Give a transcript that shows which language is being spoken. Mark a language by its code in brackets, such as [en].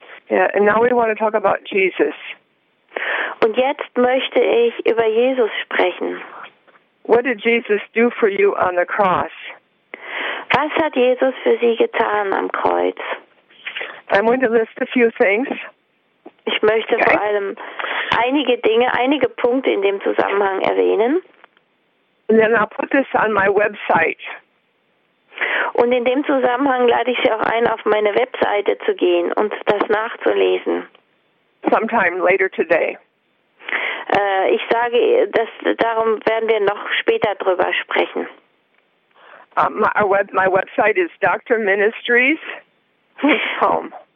[en] Yeah, and now we want to talk about Jesus. [de] Und jetzt möchte ich über Jesus sprechen. [en] What did Jesus do for you on the cross? [de] Was hat Jesus für Sie getan am Kreuz? [en] I'm going to list a few things. [de] Ich möchte okay. Vor allem einige Dinge, einige Punkte in dem Zusammenhang erwähnen. [en] And then I'll put this on my website. [de] Und in dem Zusammenhang lade ich Sie auch ein, auf meine Webseite zu gehen und das nachzulesen. [en] Sometime later today. [de] Ich sage, dass, darum werden wir noch später drüber sprechen. [en] My website is Dr. Ministries. Home.